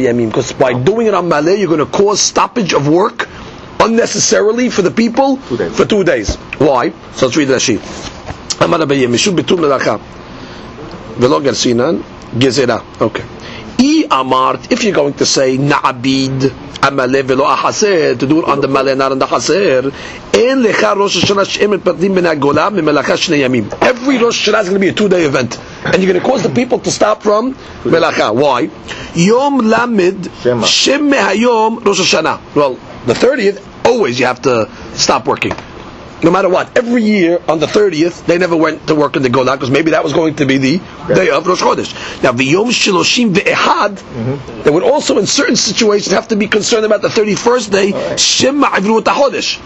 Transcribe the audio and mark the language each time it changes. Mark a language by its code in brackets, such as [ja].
[en] Because by doing it on Malay, you're going to cause stoppage of work unnecessarily for the people for 2 days. Why? So let's read the Rashi. [he] אמר רבי ימישו ביטול מלאכה ולא גרסינן גזירה. אוקיי, אי אמרת, [en] if you're going to say [he] נעביד המלא ולא החסר, [en] to do it on the [he] מלא נער [en] and the [he] חסר, אין לך ראש השנה שאין מתפתלים בין הגולה ממלאכה שני ימים. [en] Every ראש השנה is going to be a 2 day event, and you're going to cause the people to stop from מלאכה. Why? [he] יום למד שם מהיום ראש השנה. [en] Well, the 30th, always you have to stop working. No matter what, every year on the 30th, they never went to work in the Golah, because maybe that was going to be the day of Rosh Chodesh. Now, [he] v'yom shiloshim ve'ehad, [en] they would also, in certain situations, have to be concerned about the 31st day, [he] shem ma'avru ot ha'chodesh.